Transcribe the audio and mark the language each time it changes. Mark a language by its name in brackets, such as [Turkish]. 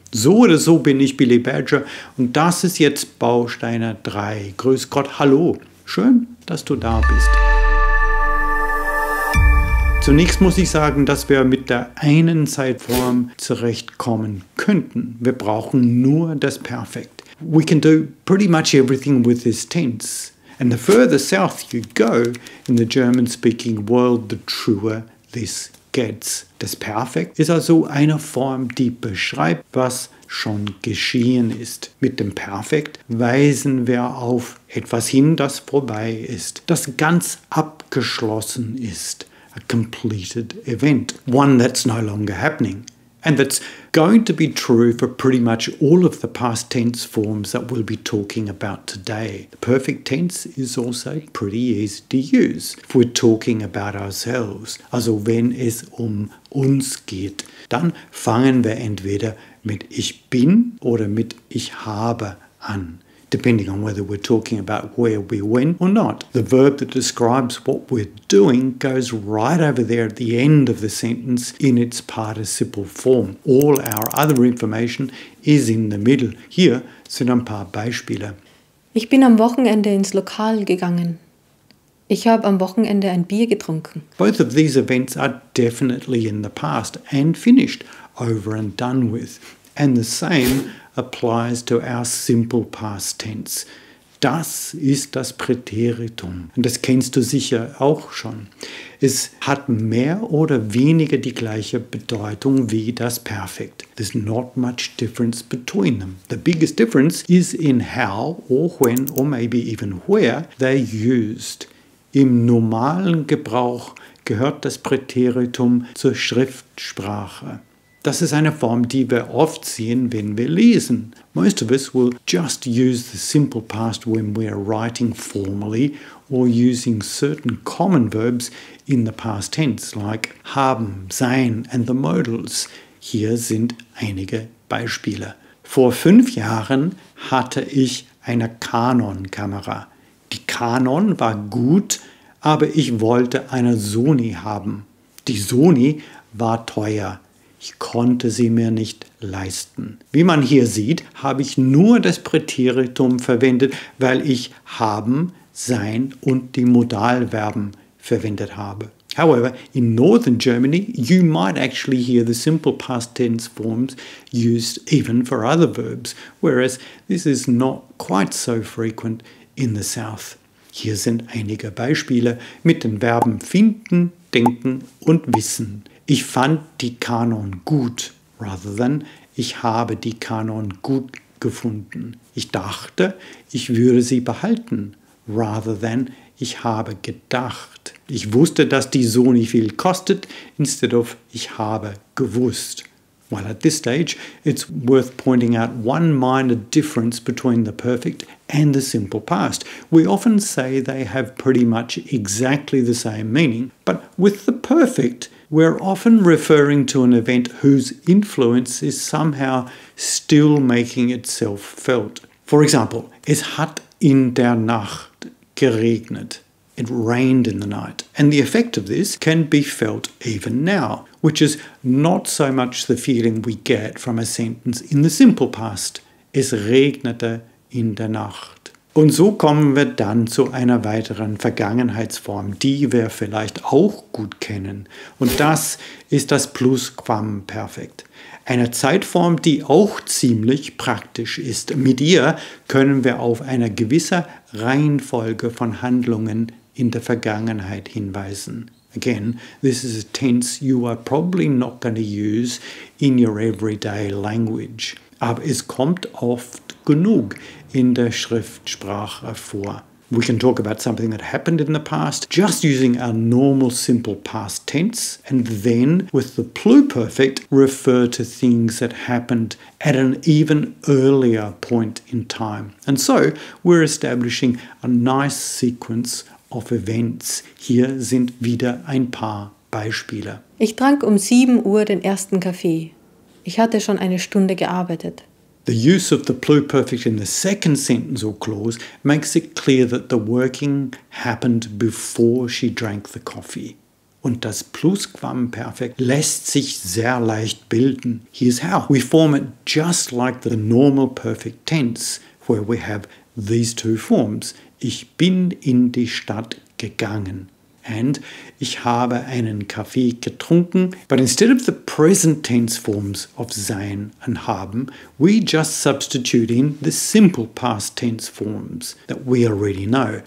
[German] So oder so bin ich Billy Badger und das ist jetzt Bausteiner 3. Grüß Gott, hallo. Schön, dass du da bist. Zunächst muss ich sagen, dass wir mit der einen Zeitform zurechtkommen könnten. Wir brauchen nur das Perfekt. [English] We can do pretty much everything with this tense. And the further south you go in the German-speaking world, the truer this gets. [German] Das Perfekt ist also eine Form, die beschreibt, was schon geschehen ist. Mit dem Perfekt weisen wir auf etwas hin, das vorbei ist, das ganz abgeschlossen ist. [English] A completed event. One that's no longer happening. And that's going to be true for pretty much all of the past tense forms that we'll be talking about today. The perfect tense is also pretty easy to use if we're talking about ourselves. [German] Also wenn es uns geht, dann fangen wir entweder mit ich bin oder mit ich habe an. [English] Depending on whether we're talking about where we went or not. The verb that describes what we're doing goes right over there at the end of the sentence in its participle form. All our other information is in the middle. [German] Hier sind ein paar Beispiele. Ich bin am Wochenende ins Lokal gegangen. Ich habe am Wochenende ein Bier getrunken. [English] Both of these events are definitely in the past and finished, over and done with. And the same applies to our simple past tense. [German] Das ist das Präteritum. Und das kennst du sicher auch schon. Es hat mehr oder weniger die gleiche Bedeutung wie das Perfekt. [English] There's not much difference between them. The biggest difference is in how or when or maybe even where they're used. [German] Im normalen Gebrauch gehört das Präteritum zur Schriftsprache. Das ist eine Form, die wir oft sehen, wenn wir lesen. [English] Most of us will just use the simple past when we're writing formally or using certain common verbs in the past tense, like haben, sein and the modals. [German] Hier sind einige Beispiele. Vor 5 Jahren hatte ich eine Canon-Kamera. Die Canon war gut, aber ich wollte eine Sony haben. Die Sony war teuer. Ich konnte sie mir nicht leisten. Wie man hier sieht, habe ich nur das Präteritum verwendet, weil ich haben, sein und die Modalverben verwendet habe. [English] However, in Northern Germany, you might actually hear the simple past tense forms used even for other verbs, whereas this is not quite so frequent in the South. [German] Hier sind einige Beispiele mit den Verben finden, denken und wissen. Ich fand die Canon gut, [English] rather than [German] ich habe die Canon gut gefunden. Ich dachte, ich würde sie behalten, [English] rather than [German] ich habe gedacht. Ich wusste, dass die Sony viel kostet, [English] instead of [German] ich habe gewusst. [English] Well, at this stage, it's worth pointing out one minor difference between the perfect and the simple past. We often say they have pretty much exactly the same meaning, but with the perfect, we're often referring to an event whose influence is somehow still making itself felt. For example, [German] es hat in der Nacht geregnet. [English] It rained in the night. And the effect of this can be felt even now, which is not so much the feeling we get from a sentence in the simple past. [German] Es regnete in der Nacht. Und so kommen wir dann zu einer weiteren Vergangenheitsform, die wir vielleicht auch gut kennen. Und das ist das Plusquamperfekt. Eine Zeitform, die auch ziemlich praktisch ist. Mit ihr können wir auf eine gewisse Reihenfolge von Handlungen in der Vergangenheit hinweisen. [English] Again, this is a tense you are probably not going to use in your everyday language. [German] Aber es kommt oft genug in der Schriftsprache vor. [English] We can talk about something that happened in the past just using our normal simple past tense, and then with the pluperfect refer to things that happened at an even earlier point in time. And so we're establishing a nice sequence of events. [German] Hier sind wieder ein paar Beispiele. Ich trank um 7 Uhr den ersten Kaffee. Ich hatte schon eine Stunde gearbeitet. [English] The use of the pluperfect in the second sentence or clause makes it clear that the working happened before she drank the coffee. [German] Und das Plusquamperfekt lässt sich sehr leicht bilden. [English] Here's how. We form it just like the normal perfect tense, where we have these two forms. [German] Ich bin in die Stadt gegangen. [English] And [German] ich habe einen Kaffee getrunken. [English] But instead of the present tense forms of sein and haben, we just substitute in the simple past tense forms that we already know.